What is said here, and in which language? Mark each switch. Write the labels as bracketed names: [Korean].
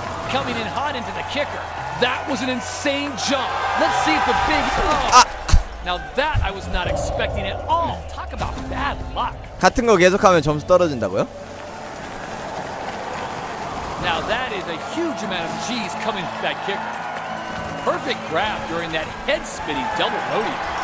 [English] Coming in hot into the kicker. That was an insane jump. Let's see if the big. Now that I was not expecting at all. Talk about bad luck. [Korean] 같은 거 계속하면 점수 떨어진다고요? [English] Now that is a huge amount of G's coming from that kick. Perfect grab during that head spinning double roadie.